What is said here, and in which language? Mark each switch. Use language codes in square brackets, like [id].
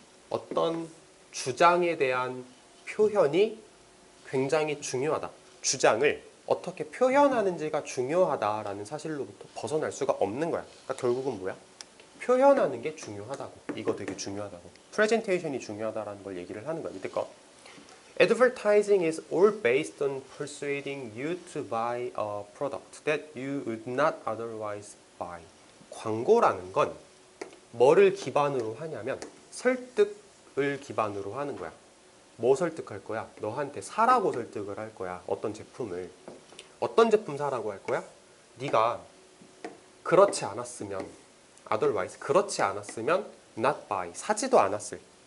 [ko] 어떤 주장에 대한 표현이 굉장히 중요하다. 주장을 어떻게 표현하는지가 중요하다라는 사실로부터 벗어날 수가 없는 거야. 그러니까 결국은 뭐야? 표현하는 게 중요하다고. 이거 되게 중요하다고. 프레젠테이션이 중요하다라는 걸 얘기를 하는 거야. 이때 거. [en] Advertising is all based on persuading you to buy a product that you would not otherwise buy. [ko] 광고라는 건 뭐를 기반으로 하냐면 설득을 기반으로 하는 거야. 뭐 설득할 거야? 너한테 사라고 설득을 할 거야. 어떤 제품을. 어떤 제품 사라고 할 거야? 네가 그렇지 않았으면 otherwise, 그렇지 않았으면 [en] not buy, [ko] 사지도 않았을.